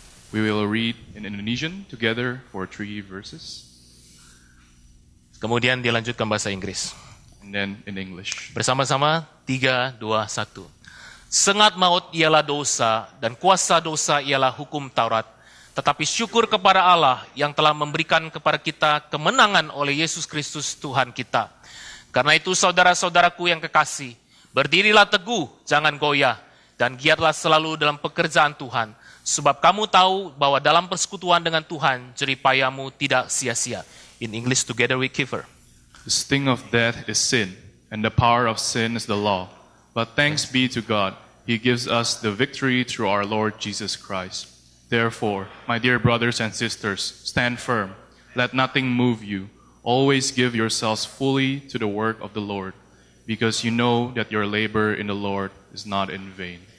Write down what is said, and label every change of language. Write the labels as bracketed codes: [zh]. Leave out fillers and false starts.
[en] We will read in Indonesian together for three verses. [id] Kemudian dilanjutkan bahasa Inggris. [en] And then in English. [id] Bersama-sama 3, 2, 1. Sengat maut ialah dosa dan kuasa dosa ialah hukum Taurat. Tetapi syukur kepada Allah yang telah memberikan kepada kita kemenangan oleh Yesus Kristus Tuhan kita. Karena itu saudara-saudaraku yang kekasih, berdirilah teguh, jangan goyah, dan giatlah selalu dalam pekerjaan Tuhan. Sebab kamu tahu bahwa dalam persekutuan dengan Tuhan, jeripayamu tidak sia-sia. [en] In English, together with Kiefer. The sting of death is sin, and the power of sin is the law. But thanks be to God, He gives us the victory through our Lord Jesus Christ. Therefore, my dear brothers and sisters, stand firm. Let nothing move you. Always give yourselves fully to the work of the Lord, because you know that your labor in the Lord is not in vain.